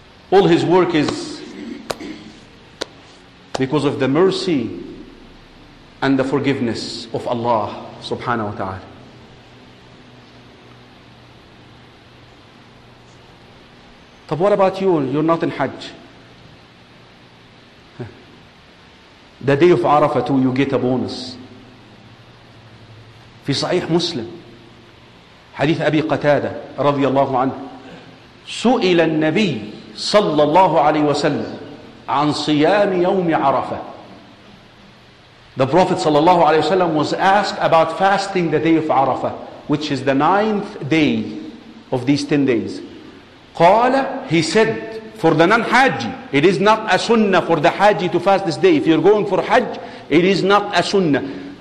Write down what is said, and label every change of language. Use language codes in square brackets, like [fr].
[en] All his work is because of the mercy and the forgiveness of Allah subhanahu wa ta'ala. But what about you? You're not in Hajj. The day of Arafah too, you get a bonus. [ar] في صحيح مسلم حديث أبي قتادة رضي الله عنه: سئل النبي صلى الله عليه وسلم عن صيام يوم عرفة. [en] The Prophet صلى الله عليه وسلم was asked about fasting the day of Arafah, which is the ninth day of these 10 days. قال, he said, for the non-haji, it is not a sunnah for the haji to fast this day. If you're going for hajj, it is not a sunnah.